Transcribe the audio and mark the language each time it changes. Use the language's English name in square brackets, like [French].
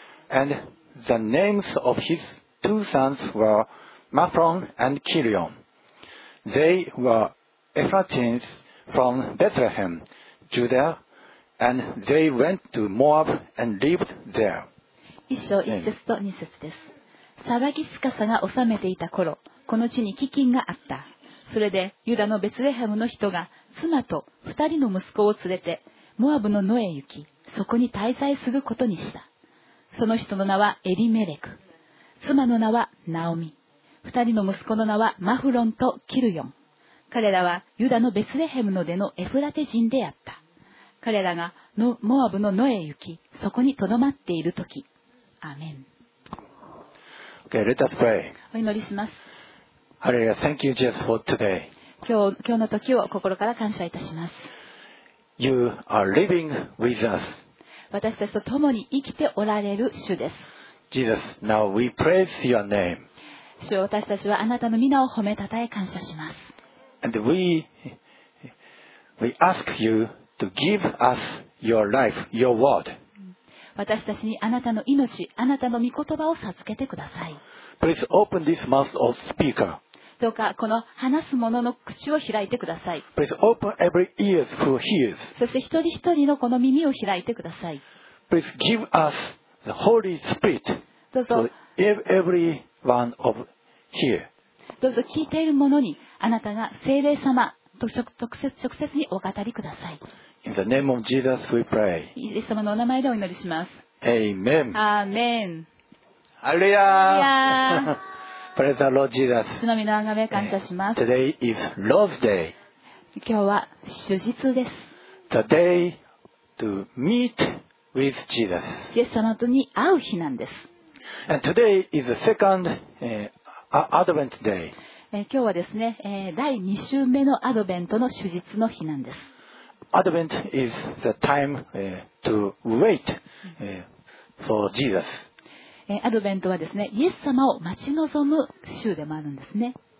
[English] And the names of his two sons were Mahlon and Chilion. They were Ephratites from Bethlehem, Judah, and they went to Moab and lived there. [Japanese] 一章一節と二節です。騒ぎすかさが治めていた頃、この地に飢饉があった。それでユダのベツレヘムの人が妻と二人の息子を連れてモアブの野へ行き、そこに滞在することにした。その人の名はエリメレク、妻の名はナオミ、二人の息子の名はマフロンとキルヨン。彼らはユダのベツレヘムの出のエフラテ人であった。彼らがモアブの野へ行き、そこにとどまっているとき。アメン。 [English] Okay, let us pray. [Japanese] お祈りします。 [English] Hallelujah, thank you, Jesus, for today. [Japanese] 今日の時を心から感謝いたします。 [English] You are living with us. [Japanese] 私たちと共に生きておられる主です。 [English] Jesus, now we praise your name. [Japanese] 主よ、私たちはあなたの皆を褒めたたえ感謝します。 [English] And we ask you to give us your life, your word. [Japanese] 私たちにあなたの命、あなたの御言葉を授けてください。 [English] Please open this mouth of speaker. [Japanese] どうかこの話す者の口を開いてください。 [English] Please open every ears who hears. [Japanese] そして一人一人のこの耳を開いてください。 [English] Please give us the Holy Spirit. [Japanese] どうぞ、 [English] every one of here. [Japanese] どうぞ聞いている者にあなたが聖霊様と直接にお語りください。 [English] In the name of Jesus we pray. [Japanese] イエス様のお名前でお祈りします。 [English] Amen. [Japanese] アーメン。ハレルヤー。 [English] Praise the Lord Jesus. [Japanese] 主の御名をあがめ感謝します。 [English] Today is Lord's Day. [Japanese] 今日は主日です。 [English] The day to meet with Jesus. [Japanese] イエス様とに会う日なんです。 [English] And today is the second Advent day. [Japanese] 今日はですね、第2週目のアドベントの主日の日なんです。 [English] Advent is the time to wait for Jesus. [Japanese] アドベントはですね、イエス様を待ち望む週でもあるんですね。